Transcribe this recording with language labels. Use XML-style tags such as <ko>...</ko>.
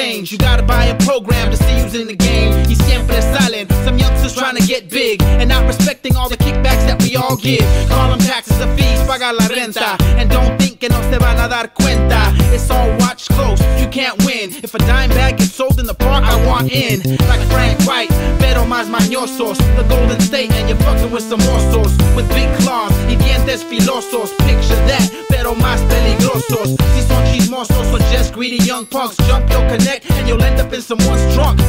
<en>You gotta buy a program to see who's in the game. He's siempre silent. Some youngsters trying to get big and not respecting all the kickbacks that we all give.</en> <es>Call them taxes or fees, paga la renta. And don't think que no se van a dar cuenta.</es> <en>It's all watch close, you can't win. If a dime bag gets sold in the bar, I want in. Like Frank White, pero más mañosos. The Golden State and you're fucking with some osos. With big claws y dientes filosos.</en> <es>Picture that, pero más peligrosos.</es> <en>Si son chismosos, so just greedy young punks. Jump your connect and you'll end up in someone's trunk.</en>